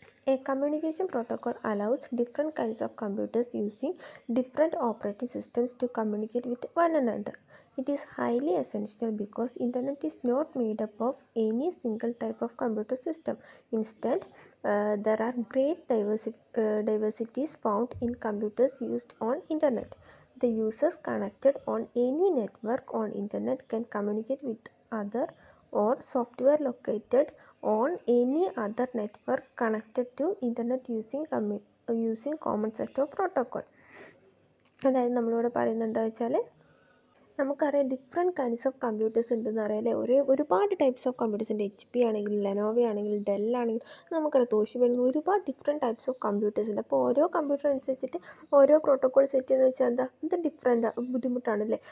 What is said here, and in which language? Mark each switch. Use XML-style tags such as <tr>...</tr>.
<en>A communication protocol allows different kinds of computers using different operating systems to communicate with one another. It is highly essential because internet is not made up of any single type of computer system. Instant there are great diversities found in computers used on internet. The users connected on any network on internet can communicate with other or software located on any other network connected to internet using common set of protocol.</en> <ml>അതായത് നമ്മളിവിടെ പറയുന്നത് എന്താ വെച്ചാൽ, നമുക്കറിയാം different kinds of computers ഉണ്ടെന്ന് അറിയാം അല്ലേ. ഒരുപാട് ടൈപ്പ്സ് ഓഫ് കമ്പ്യൂട്ടേഴ്സ് ഉണ്ട്. HP ആണെങ്കിലും ലെനോവ ആണെങ്കിലും ഡെൽ ആണെങ്കിലും നമുക്കറിയാം തോഷിബ ആണെങ്കിലും ഒരുപാട് ഡിഫറെൻറ്റ് ടൈപ്പ്സ് ഓഫ് കമ്പ്യൂട്ടേഴ്സ് ഉണ്ട്. അപ്പോൾ ഓരോ കമ്പ്യൂട്ടർ അനുസരിച്ചിട്ട് ഓരോ പ്രോട്ടോക്കോൾ സെറ്റ് ചെയ്യുന്ന വെച്ചാൽ എന്താ, ഇത് ഡിഫറെൻറ്റ് ബുദ്ധിമുട്ടാണല്ലേ.</ml>